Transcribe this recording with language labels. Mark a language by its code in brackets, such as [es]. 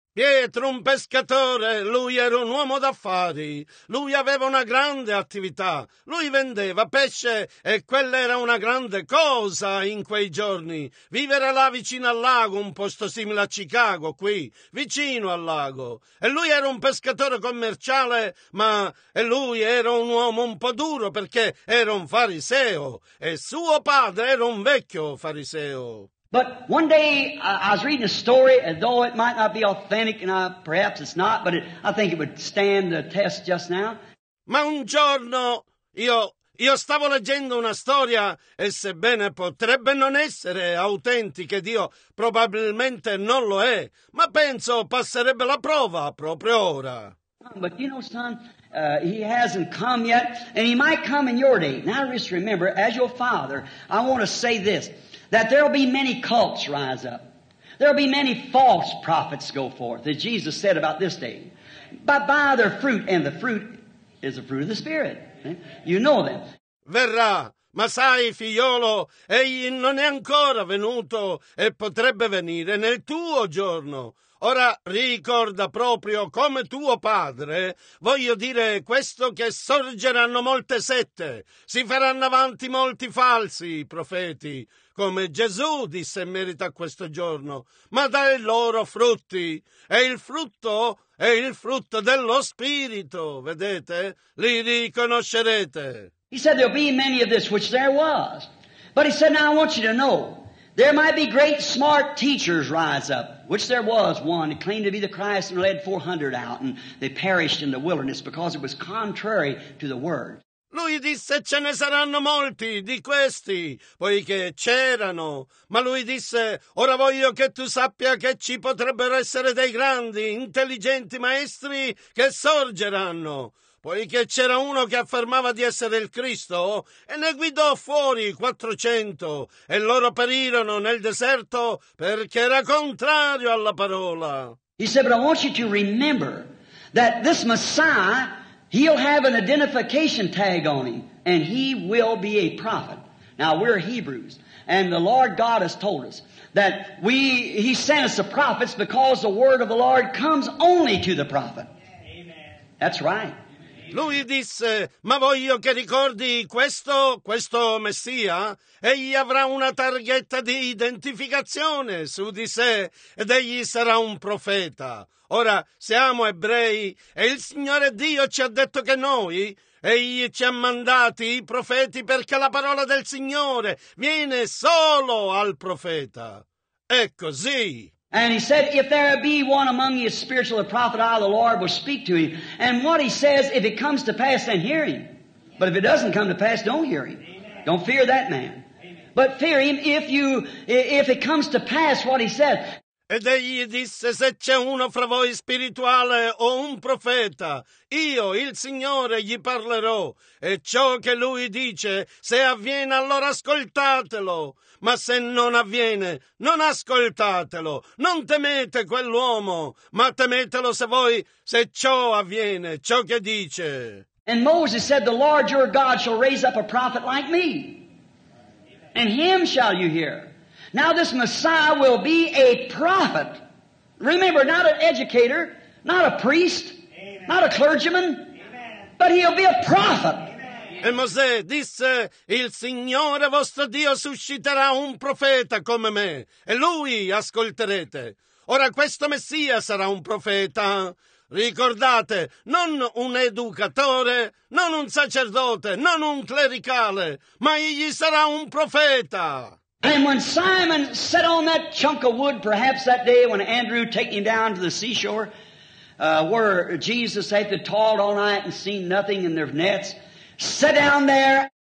[it] Pietro, un pescatore, lui era un uomo d'affari. Lui aveva una grande attività. Lui vendeva pesce e quella era una grande cosa in quei giorni. Vivere là vicino al lago, un posto simile a Chicago, qui, vicino al lago. E lui era un pescatore commerciale, lui era un uomo un po' duro perché era un fariseo. E suo padre era un vecchio fariseo. [en] But one day I was reading a story, and though it might not be authentic, and perhaps it's not, but I think it would stand the test just now. [it] Ma un giorno io stavo leggendo una storia, e sebbene potrebbe non essere autentica, Dio probabilmente non lo è, ma penso passerebbe la prova proprio ora. [en] But you know, son, he hasn't come yet, and he might come in your day. Now just remember, as your father, I want to say this. That there'll be many cults rise up. There'll be many false prophets go forth, as Jesus said about this day. But by their fruit, and the fruit is the fruit of the Spirit. You know them. [it] Verrà, ma sai, figliolo, egli non è ancora venuto e potrebbe venire nel tuo giorno. Ora ricorda proprio come tuo padre, voglio dire questo, che sorgeranno molte sette, si faranno avanti molti falsi profeti, come Gesù disse in merito a questo giorno, ma dai loro frutti, e il frutto è il frutto dello Spirito, vedete? Li riconoscerete. [en] He said there'll be many of this which there was, but he said now I want you to know, there might be great smart teachers rise up, which there was one who claimed to be the Christ and led 400 out, and they perished in the wilderness because it was contrary to the Word. [it] Lui disse ce ne saranno molti di questi, poiché c'erano. Ma lui disse, ora voglio che tu sappia che ci potrebbero essere dei grandi, intelligenti maestri che sorgeranno. Poiché c'era uno che affermava di essere il Cristo, e ne guidò fuori 400, e loro perirono nel deserto perché era contrario alla parola. [en] He said, but I want you to remember that this Messiah, he'll have an identification tag on him, and he will be a prophet. Now, we're Hebrews, and the Lord God has told us that he sent us the prophets because the word of the Lord comes only to the prophet. Amen. That's right. [it] Lui disse, ma voglio che ricordi questo Messia, egli avrà una targhetta di identificazione su di sé ed egli sarà un profeta. Ora siamo ebrei e il Signore Dio ci ha detto che noi, egli ci ha mandati i profeti perché la parola del Signore viene solo al profeta. È così. [en] And he said, if there be one among you spiritual, a prophet, I, the Lord, will speak to him. And what he says, if it comes to pass, then hear him. But if it doesn't come to pass, don't hear him. Amen. Don't fear that man. Amen. But fear him if it comes to pass what he said. [it] Ed egli disse, se c'è uno fra voi spirituale o un profeta, io, il Signore, gli parlerò. E ciò che lui dice, se avviene, allora ascoltatelo. Ma se non avviene, non ascoltatelo. Non temete quell'uomo, ma temetelo se voi, se ciò avviene, ciò che dice. [en] And Moses said, the Lord your God shall raise up a prophet like me. And him shall you hear. Now this Messiah will be a prophet. Remember, not an educator, not a priest, Amen. Not a clergyman, Amen. But he'll be a prophet. Amen. [it] E Mosè disse, il Signore vostro Dio susciterà un profeta come me, e lui ascolterete. Ora questo Messia sarà un profeta. Ricordate, non un educatore, non un sacerdote, non un clericale, ma egli sarà un profeta. [en] And when Simon sat on that chunk of wood, perhaps that day when Andrew took him down to the seashore, where Jesus had to toil all night and seen nothing in their nets, sat down there.